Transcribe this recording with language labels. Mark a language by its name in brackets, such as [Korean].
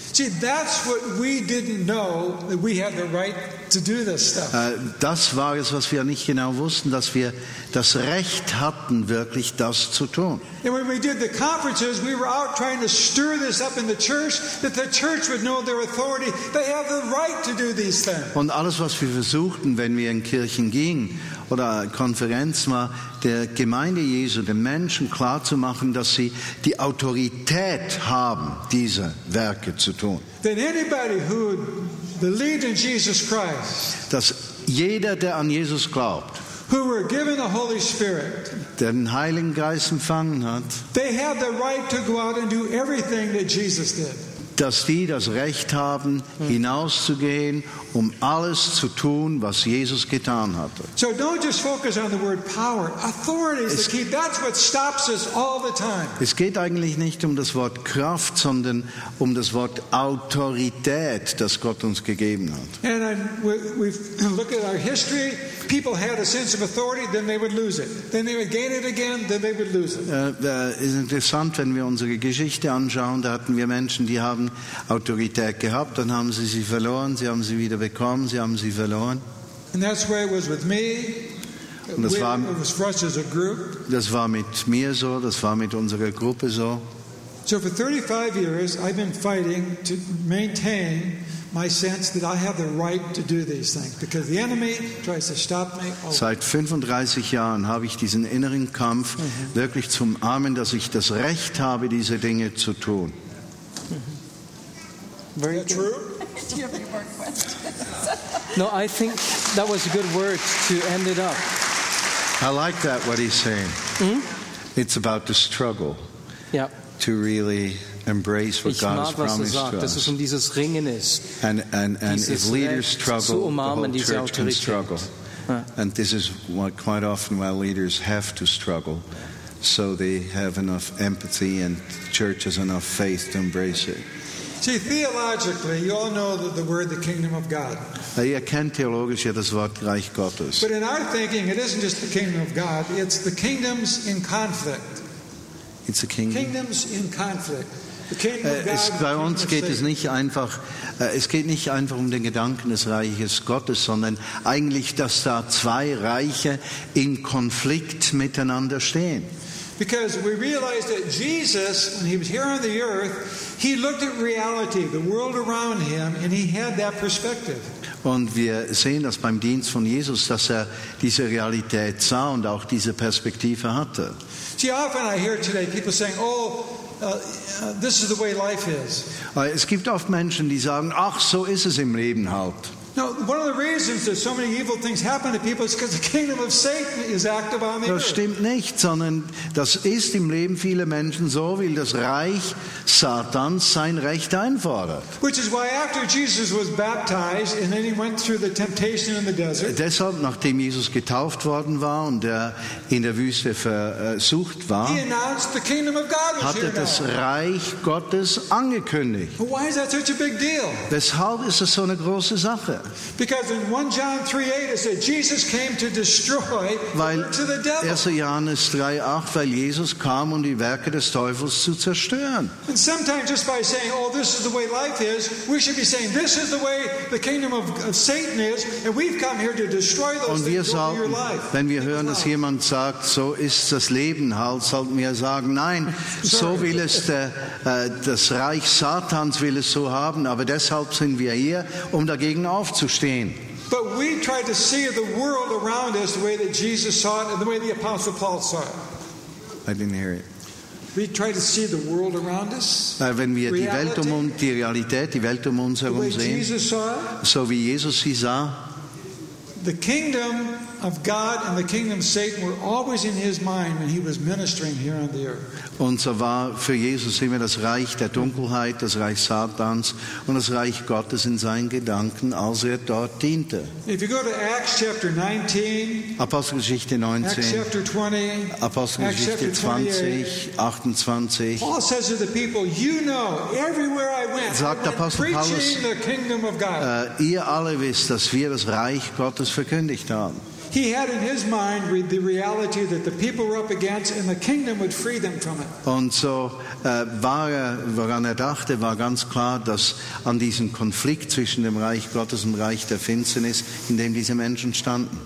[English] See, that's what we didn't know, that we had the right to do this stuff. [German] Das war es, was wir nicht genau wussten, dass wir das Recht hatten, wirklich das zu tun. [English] And when we did the conferences, we were out trying to stir this up in the church, that the church would know their authority. They have the right to do these things. [German] Und alles, was wir versuchten, wenn wir in Kirchen gingen, oder Konferenz war, der Gemeinde Jesu, den Menschen klarzumachen, dass sie die Autorität haben, diese Werke zu tun. [English] Then anybody who believed in Jesus Christ, [German] dass jeder, der an Jesus glaubt, [English] who were given the Holy Spirit, [German] der den Heiligen Geist empfangen hat, [English] they have the right to go out and do everything that Jesus did. [German] Dass die das Recht haben, hinauszugehen, um alles zu tun, was Jesus getan hatte. [English] So don't just focus on the word power. Authority is the key. That's what stops us all the time. [German] Es geht eigentlich nicht um das Wort Kraft, sondern um das Wort Autorität, das Gott uns gegeben hat. [English] And we've looked at our history. People had a sense of authority, then they would lose it. Then they would gain it again, then they would lose it. [German] Ist interessant, wenn wir unsere Geschichte anschauen, da hatten wir Menschen, die haben Autorität gehabt, dann haben sie sie verloren, sie haben sie wieder bekommen, sie haben sie verloren. [English] And that's where it was with me. [German] Und das war, [English] it was for us as a group. [German] Das war mit mir so, das war mit unserer Gruppe so. [English] So for 35 years I've been fighting to maintain my sense that I have the right to do these things because the enemy tries to stop me. [German] Seit 35 Jahren habe ich diesen inneren Kampf wirklich zum Armen, dass ich das Recht habe, diese Dinge zu tun. [English] Very good. True. Do you have any more questions? No, I think that was a good word to end it up. I like that, what he's saying. It's about the struggle. Yeah. To really embrace what God has promised to us. [German] Dieses Ringen ist. [English] And if leaders struggle, [German] umarmen, [English] the whole church can struggle. And this is what quite often why leaders have to struggle, so they have enough empathy and church has enough faith to embrace it. See, theologically, you all know that the word, the kingdom of God. [German] Ihr kennt theologisch ja das Wort Reich Gottes. [English] But in our thinking, it isn't just the kingdom of God, it's the kingdoms in conflict. It's a kingdom. Kingdoms in conflict. [German] Bei uns geht es nicht einfach. Es geht nicht einfach um den Gedanken des Reiches Gottes, sondern eigentlich, dass da zwei Reiche in Konflikt miteinander stehen. [English] Because we realize that Jesus, when he was here on the earth, he looked at reality, the world around him, and he had that perspective. [German] Und wir sehen das beim Dienst von Jesus, dass er diese Realität sah und auch diese Perspektive hatte. [English] See, often I hear today people saying, oh, this is the way life is. [German] Es gibt oft Menschen, die sagen, ach, so ist es im Leben halt. [English] No, one of the reasons that so many evil things happen to people is because the kingdom of Satan is active on the earth. [German] Das stimmt nicht, sondern das ist im Leben vieler Menschen so, weil das Reich Satans sein Recht einfordert. [English] Which is why after Jesus was baptized and then he went through the temptation in the desert. [German] Deshalb, nachdem Jesus getauft worden war und er in der Wüste versucht war, [English] he announced the kingdom of God was [German] hat er das Reich Gottes angekündigt. [English] But why is that such a big deal? [German] Weshalb ist das so eine große Sache? [English] Because in 1 John 3:8 it said Jesus came to destroy the devil. [German] 1. Johannes 3:8, weil Jesus kam, um die Werke des Teufels zu zerstören. [English] And sometimes just by saying, oh, this is the way life is, we should be saying, this is the way the kingdom of Satan is, and we've come here to destroy those things in your life. [German] Und wir sollten, wenn wir hören, dass jemand sagt, so ist das Leben halt, sollten wir sagen, nein, so will es das Reich Satans will es so haben, aber deshalb sind wir hier, um dagegen aufzustehen. [English] But we try to see the world around us the way that Jesus saw it and the way the Apostle Paul saw it. I didn't hear it. We try to see the world around us. [German] Wenn wir die Welt die Realität, die Welt uns herum sehen, [English] Jesus saw it, [German] so wie Jesus sie sah. [English] The kingdom of God and the kingdom of Satan were always in his mind when he was ministering here on the earth. [German] Und so war für Jesus immer das Reich der Dunkelheit, das Reich Satans und das Reich Gottes in seinen Gedanken, als er dort diente. [English] If you go to Acts chapter 19, [German] Apostelgeschichte 19, [English] Acts chapter 20, [German] Apostelgeschichte 20, 28, [English] Paul says to the people, you know, everywhere I went, [German] sagt Apostel Paulus, [English] preaching the kingdom of God. [German] Ihr alle wisst, dass wir das Reich Gottes verkündigt haben. [English] He had in his mind the reality that the people were up against and the kingdom would free them from it. [German] Und so war er, woran er dachte, war ganz klar, dass an diesem Konflikt zwischen dem Reich Gottes und dem Reich der Finsternis, in dem diese Menschen standen.